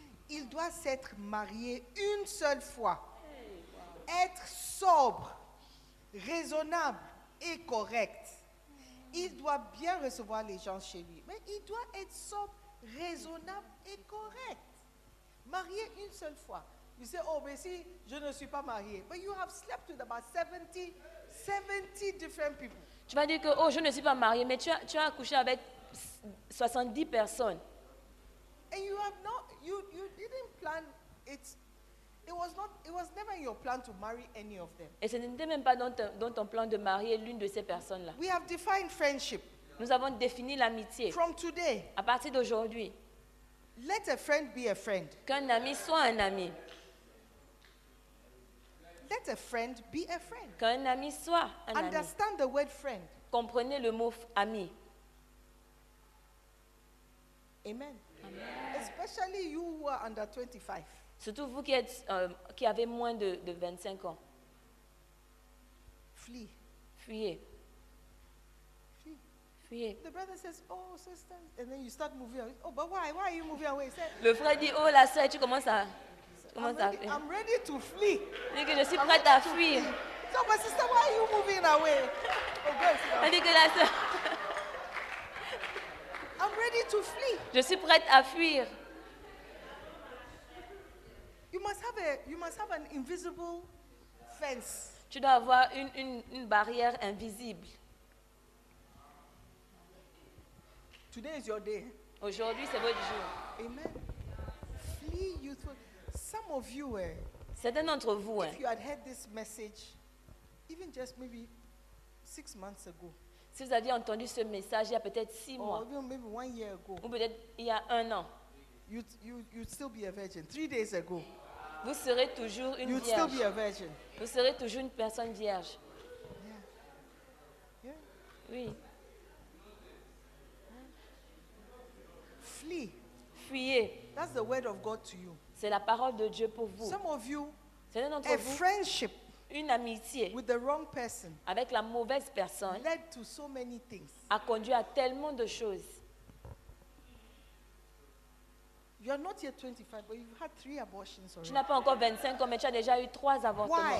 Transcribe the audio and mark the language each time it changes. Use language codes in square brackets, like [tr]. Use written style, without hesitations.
[fr] Il doit s'être marié une seule fois, être sobre, raisonnable et correct. Il doit bien recevoir les gens chez lui. Mais il doit être sobre, raisonnable et correct. Marié une seule fois. [en] You say, oh, [fr] mais si, je ne suis pas marié. [en] But you have slept with about 70 different people. [fr] Tu vas dire que, oh, je ne suis pas marié, mais tu as accouché avec 70 personnes. [en] And you have not, you didn't plan it. It was never in your plan to marry any of them. [fr] Et ce n'était même pas dans ton plan de marier l'une de ces personnes-là. [en] We have defined friendship. [fr] Nous avons défini l'amitié. [en] From today. [fr] À partir d'aujourd'hui. [en] Let a friend be a friend. [fr] Qu'un ami soit un ami. [en] Let a friend be a friend. [fr] Qu'un ami soit un ami. [en] Understand the word friend. [fr] Comprenez le mot ami. [en] Amen. Especially you who are under 25. [fr] Surtout vous qui êtes qui avez moins de 25 ans. [en] Flee. [fr] Fuyez. [en] Flee. The brother says, "Oh, sister," and then you start moving away. Oh, but why? Why are you moving away? [fr] Le frère dit, "Oh, la sœur, tu commences à fuir." [en] I'm ready to flee. [fr] Dit que je suis prête à fuir. [en] So, but sister, why are you moving away? [fr] Elle dit que la sœur. [en] I'm ready to flee. [fr] Je suis prête à fuir. [en] You must have an invisible fence. [fr] Tu dois avoir une barrière invisible. [en] Today is your day. [fr] Aujourd'hui c'est votre jour. [en] Amen. Flee youthful. Some of you were. [fr] Certains d'entre vous. [en] If you had heard this message, even just maybe 6 months ago. [fr] Si vous aviez entendu ce message il y a peut-être 6 mois, ou peut-être il y a un an, vous serez toujours une [en] you'd [fr] vierge. [en] Still be a virgin. [fr] Vous serez toujours une personne vierge. [en] Yeah. Yeah. [fr] Oui. [en] Flee. [fr] Fuyez. [en] That's the word of God to you. [fr] C'est la parole de Dieu pour vous. [en] Some of you, [fr] c'est l'un d'entre [en] a [fr] vous. [en] Friendship. [fr] Une amitié [en] with the wrong person [fr] avec la mauvaise personne [en] led to so many things. [fr] A conduit à tellement de choses. [en] You are not yet 25, but you've had three abortions already. [fr] Tu n'as pas encore 25 ans, mais tu as déjà eu trois avortements.